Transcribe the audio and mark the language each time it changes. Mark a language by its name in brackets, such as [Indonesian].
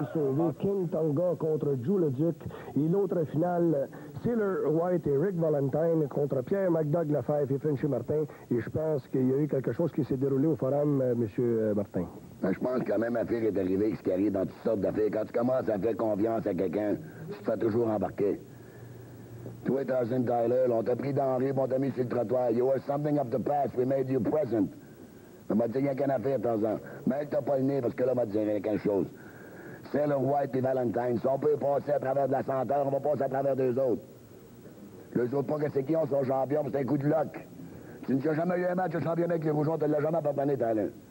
[French] Sauvé King Tonga contre Joe Leduc. Et l'autre finale, Taylor White et Rick Valentine contre Pierre McDoug Lafèvre et Frenchy Martin. Et je pense qu'il y a eu quelque chose qui s'est déroulé au forum, M. Martin. Ben, je pense que la même affaire est arrivée, ce qui arrive dans toutes sortes d'affaires. Quand tu commences à faire confiance à quelqu'un, tu te fais toujours embarquer. Toi, Tarzan Tyler, on t'a pris dans la rue, on t'a mis sur le trottoir. [English] You are something of the past, we made you present. [French] Mais ben, m'a dit rien qu'une affaire, Tarzan. Mais t'as pas le nez, parce que là, m'a dit rien qu'une chose. C'est le White et Valentine. Si on peut passer à travers de la senteur, on va passer à travers deux autres. Les autres pas que c'est qui, on sont champions, c'est un coup de luck. Tu ne t'as jamais eu un match de champion avec les Rougeaux, tu ne l'as jamais pardonné, Talin.